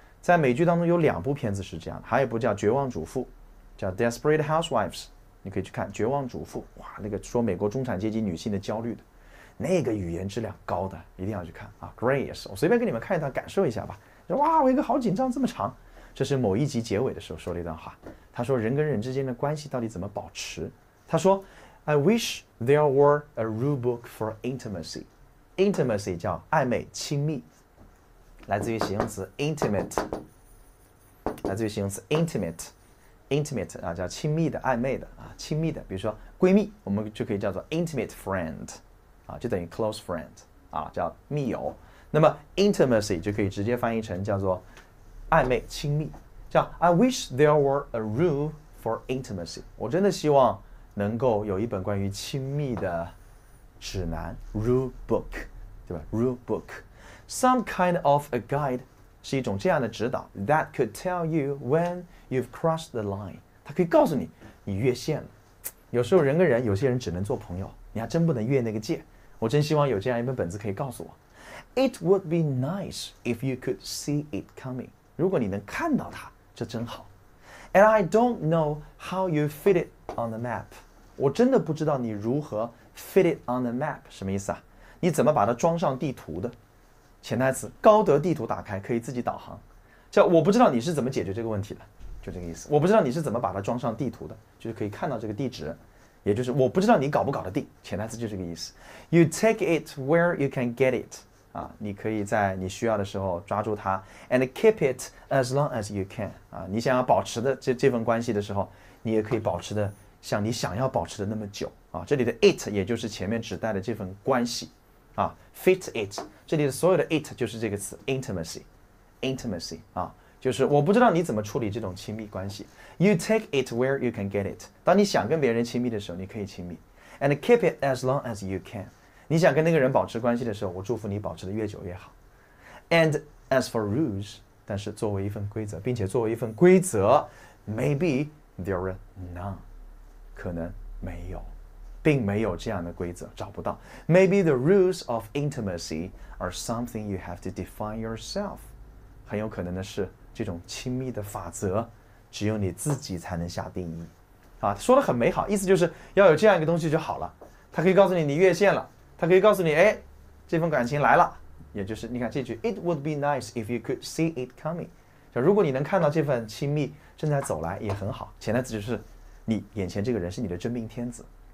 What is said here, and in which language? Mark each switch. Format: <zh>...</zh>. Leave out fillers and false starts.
<zh>在美剧当中有2部片子是这样的，还有一部叫《绝望主妇》，叫 Desperate Housewives，你可以去看《绝望主妇》。哇，那个说美国中产阶级女性的焦虑的。那个语言质量高的一定要去看啊 ，Grey 也是，我随便给你们看一段，感受一下吧。说哇，我一个好紧张，这么长。这是某一集结尾的时候说了一段话，他说人跟人之间的关系到底怎么保持？他说</zh> <en>，I wish there were a rule book for intimacy.</en> <zh>Intimacy 叫暧昧、亲密，来自于形容词 intimate， 来自于形容词 intimate 啊，叫亲密的、暧昧的啊，亲密的，比如说闺蜜，我们就可以叫做 intimate friend。啊，就等于 close friend 啊，叫密友。那么 intimacy 就可以直接翻译成叫做暧昧、亲密。</zh> <en>叫 I wish there were a rule for intimacy。</en> <zh>我真的希望能够有一本关于亲密的指南 rule book， 对吧 ？rule book，</zh> <en>some kind of a guide</en> <zh>是一种这样的指导</zh> <en>that could tell you when you've crossed the line。</en> <zh>它可以告诉你你越线了。有时候人跟人，有些人只能做朋友。你还真不能越那个界，我真希望有这样一本本子可以告诉我。</zh> <en>It would be nice if you could see it coming.</en> <zh>如果你能看到它，这真好。</zh> <en>And I don't know how you fit it on the map.</en> <zh>我真的不知道你如何</zh> <en>fit it on the map</en> <zh>什么意思啊？你怎么把它装上地图的？潜台词：高德地图打开可以自己导航。叫我不知道你是怎么解决这个问题的，就这个意思。我不知道你是怎么把它装上地图的，就是可以看到这个地址。也就是我不知道你搞不搞得定，潜台词就是这个意思。</zh> <en>You take it where you can get it，</en> <zh>啊，你可以在你需要的时候抓住它 ，</zh> <en>and keep it as long as you can，</en> <zh>啊，你想要保持的这份关系的时候，你也可以保持的像你想要保持的那么久啊。这里的 it 也就是前面指代的这份关系，啊 ，fit it， 这里的所有的 it 就是这个词 intimacy， 啊。就是我不知道你怎么处理这种亲密关系。</zh> <en>You take it where you can get it.</en> <zh>当你想跟别人亲密的时候，你可以亲密。</zh> <en>And keep it as long as you can.</en> <zh>你想跟那个人保持关系的时候，我祝福你保持的越久越好。</zh> <en>And as for rules,</en> <zh>但是作为一份规则，并且作为一份规则</zh> <en>，maybe there are none.</en> <zh>可能没有，并没有这样的规则，找不到。</zh> <en>Maybe the rules of intimacy are something you have to define yourself.</en> <zh>很有可能的是。这种亲密的法则只有你自己才能下定义啊，说得很美好，意思就是要有这样一个东西就好了，他可以告诉你你越线了，他可以告诉你哎，这份感情来了，也就是你看这句</zh> <en>It would be nice if you could see it coming，</en> <zh>就如果你能看到这份亲密正在走来也很好，潜台词就是你眼前这个人是你的真命天子，</zh>